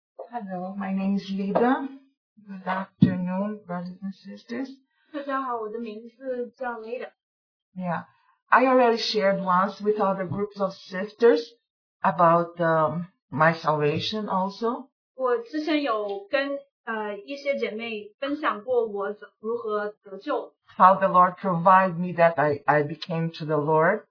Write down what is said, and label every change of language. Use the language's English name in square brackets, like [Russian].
[English] Hello, my name is Lida. Good afternoon, brothers and sisters. [Chinese] 大家好, 我的名字叫Lida。 [English] Yeah, I already shared once with other groups of sisters about my salvation also. [Chinese] 我之前有跟一些姐妹分享过我如何得救。 [English] How the Lord provided me that I became to the Lord.